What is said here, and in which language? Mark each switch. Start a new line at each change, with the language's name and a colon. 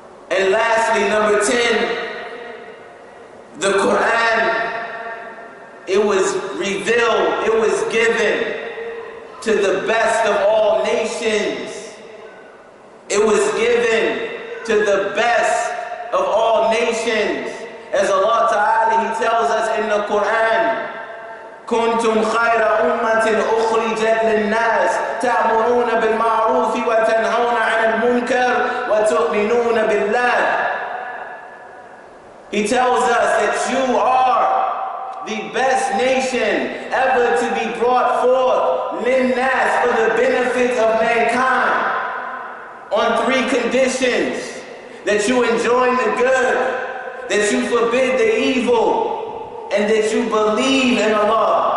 English: And lastly, number 10, the Quran, it was revealed, it was given to the best of all nations. It was given to the best of all nations. As Allah Ta'ala, He tells us in the Quran,
Arabic: كنتم خير أمة أخرجت للناس تأمرون بالمعروف وتنهون عن المنكر وتؤمنون بالله.
English: He tells us that you are the best nation ever to be brought forth
Arabic: للناس
English: for the benefit of mankind on three conditions: that you enjoin the good, that you forbid the evil, and that you believe in Allah.